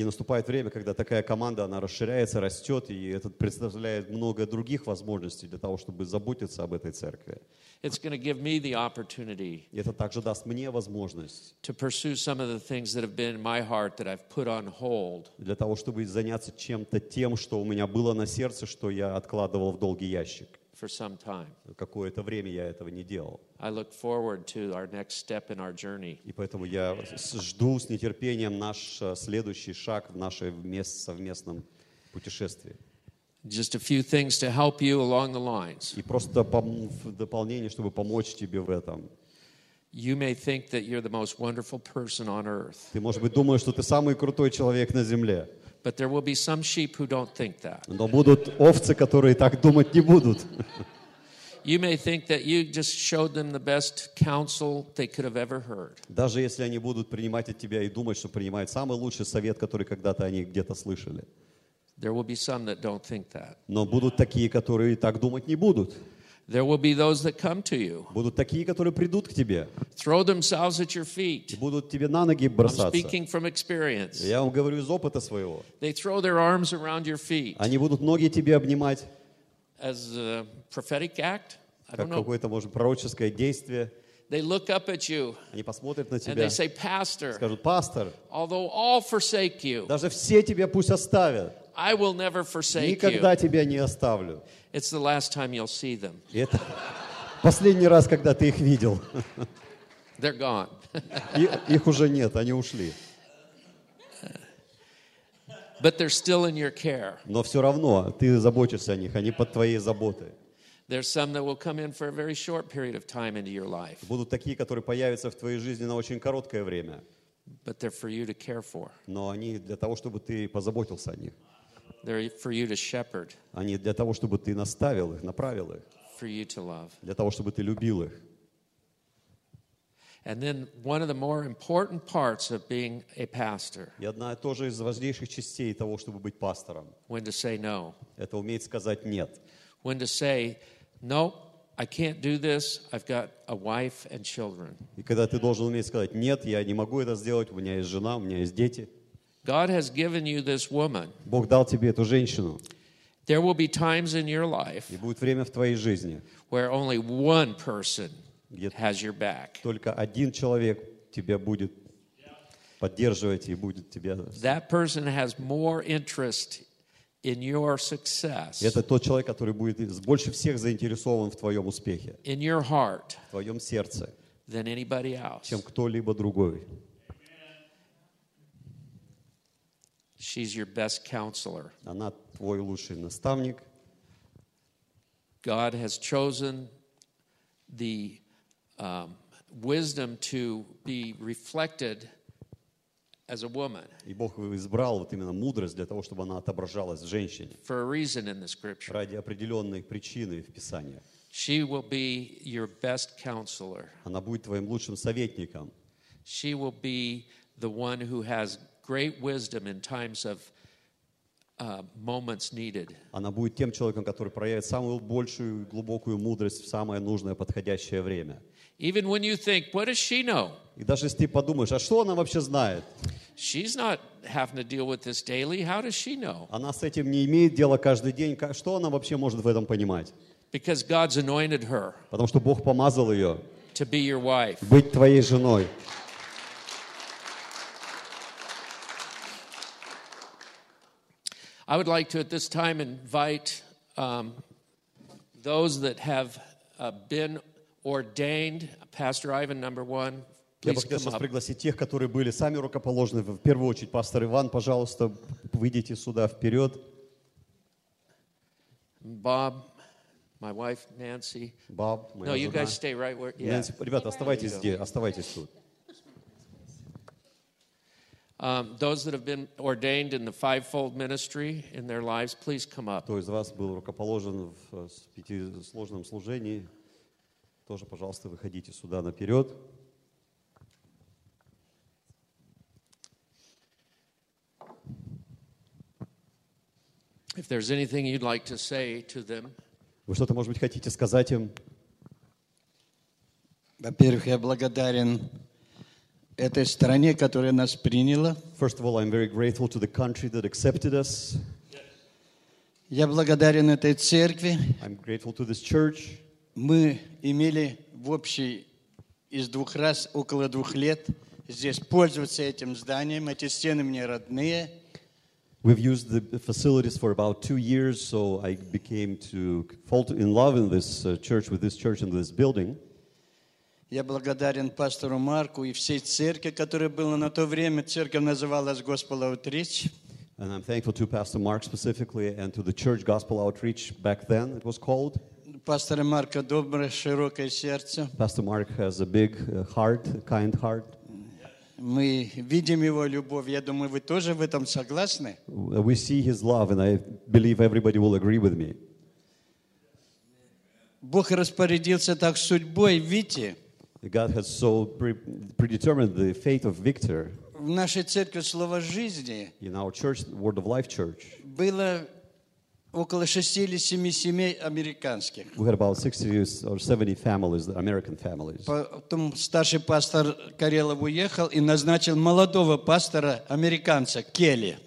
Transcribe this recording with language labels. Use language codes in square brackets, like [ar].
[ru] И наступает время, когда такая команда, она расширяется, растет, и это представляет много других возможностей для того, чтобы заботиться об этой церкви. [en] It's going to give me the opportunity. [ru] Это также даст мне возможность. [en] To pursue some of the things that have been in my heart that I've put on hold. [ru] Для того, чтобы заняться чем-то тем, что у меня было на сердце, что я откладывал в долгий ящик. [en] For some time. [ru] Какое-то время я этого не делал. [en] I look forward to our next step in our journey. [ru] И поэтому я жду с нетерпением наш следующий шаг в нашем совместном путешествии. [en] Just a few things to help you along the lines. [ru] И просто в дополнение, чтобы помочь тебе в этом. [en] You may think that you're the most wonderful person on earth. [ru] Ты, может быть, думаешь, что ты самый крутой человек на земле. [en] But there will be some sheep who don't think that. [ru] Но будут овцы, которые так думать не будут. [en] You may think that you just showed them the best counsel they could have ever heard. [ru] Даже если они будут принимать от тебя и думать, что принимают самый лучший совет, который когда-то они где-то слышали. [en] There will be some that don't think that. [ru] Но будут такие, которые так думать не будут. [en] There will be those that come to you. [ru] Будут такие, которые придут к тебе. [en] Throw themselves at your feet. [ru] И будут тебе на ноги бросаться. [en] I'm speaking from experience. [ru] Я вам говорю из опыта своего. [en] They throw their arms around your feet. [ru] Они будут ноги тебе обнимать. [en] As a prophetic act. [ru] Как какое-то, может, пророческое действие. [en] They look up at you. [ru] Они посмотрят на тебя. [en] And they say, Pastor. [ru] Скажут, пастор. [en] Although all forsake you. [ru] Даже все тебя пусть оставят. [en] I will never forsake you. [ru] Никогда тебя не оставлю. [en] It's the last time you'll see them. [ru] Это последний раз, когда ты их видел. [en] They're gone. [ru] Их уже нет, они ушли. [en] But they're still in your care. [ru] Но все равно ты заботишься о них, они под твоей заботой. [en] There's some that will come in for a very short period of time into your life. [ru] Будут такие, которые появятся в твоей жизни на очень короткое время. [en] But they're for you to care for. [ru] Но они для того, чтобы ты позаботился о них. [en] They're for you to shepherd. [ru] Они для того, чтобы ты наставил их, направил их. [en] For you to love. [ru] Для того, чтобы ты любил их. [en] And then one of the more important parts of being a pastor. [ru] И одна тоже из важнейших частей того, чтобы быть пастором. [en] When to say no. [ru] Это уметь сказать нет. [en] When to say no, I can't do this. I've got a wife and children. [ru] И когда ты должен уметь сказать нет, я не могу это сделать. У меня есть жена, у меня есть дети. [en] God has given you this woman. [ru] Бог дал тебе эту женщину. [en] There will be times in your life. [ru] И будет время в твоей жизни. [en] Where only one person has your back. [ru] Только один человек тебя будет поддерживать и будет тебя. [en] That person has more interest in your success. [ru] Это тот человек, который будет больше всех заинтересован в твоем успехе. [en] In your heart. [ru] В твоем сердце. [en] Than anybody else. [ru] Чем кто-либо другой. [en] She's your best counselor. [ru] Она твой лучший наставник. [en] God has chosen the wisdom to be reflected as a woman. [ru] И Бог избрал вот именно мудрость для того, чтобы она отображалась в женщине. [en] For a reason in the scripture. [ru] Ради определенной причины в Писании. [en] She will be your best counselor. [ru] Она будет твоим лучшим советником. [en] She will be the one who has great wisdom in times of moments needed. [ru] Она будет тем человеком, который проявит самую большую глубокую мудрость в самое нужное подходящее время. [en] Even when you think, what does she know? [ru] И даже если ты подумаешь, а что она вообще знает? [en] She's not having to deal with this daily. How does she know? [ru] Она с этим не имеет дела каждый день. Что она вообще может в этом понимать? [en] Because God's anointed her. [ru] Потому что Бог помазал ее. [en] To be your wife. [ru] Быть твоей женой. [en] I would like to at this time invite those that have been ordained. Pastor Ivan, number one, please come up. [ru] Я бы хотел пригласить тех, которые были сами рукоположены. В первую очередь, пастор Иван, пожалуйста, выйдите сюда вперед. [en] Bob, my wife Nancy. Bob, [ru] моя жена. [en] No, you guys stay right where. Yeah. [ru] Nancy, ребята, оставайтесь здесь, оставайтесь тут. [en] Those that have been ordained in the fivefold ministry in their lives, please come up. [ru] Кто из вас был рукоположен в пятисложном служении, тоже, пожалуйста, выходите сюда наперед. [en] If there's anything you'd like to say to them. [ru] Вы что-то, может быть, хотите сказать им? Во-первых, я благодарен этой стране, которая нас приняла. [en] First of all, I'm very grateful to the country that accepted us. [ru] Я благодарен этой церкви. [en] I'm grateful to this church. [ru] Мы имели в общей из двух раз около двух лет здесь пользоваться этим зданием. Эти стены мне родные. [en] We've used the facilities for about 2 years, so I became to fall in love in this church, with this church and this building. [ru] Я благодарен пастору Марку и всей церкви, которая была на то время. Церковь называлась Gospel Outreach. [en] And I'm thankful to Pastor Mark specifically and to the church Gospel Outreach back then, it was called. [ru] Пастор Марка доброе, широкое сердце. [en] Pastor Mark has a big heart, kind heart. [ru] Мы видим его любовь. Я думаю, вы тоже в этом согласны. [en] We see his love, and I believe everybody will agree with me. [ru] Бог распорядился так судьбой, Вити. [en] God has so predetermined the fate of Victor. [ru] В нашей церкви Слово жизни. [en] In our church, Word of Life Church. [ru] Было около 6 или 7 семей американских. [en] We had about 60 or 70 families, American families. [ru] Потом старший пастор Карелов уехал и назначил молодого пастора американца Келли.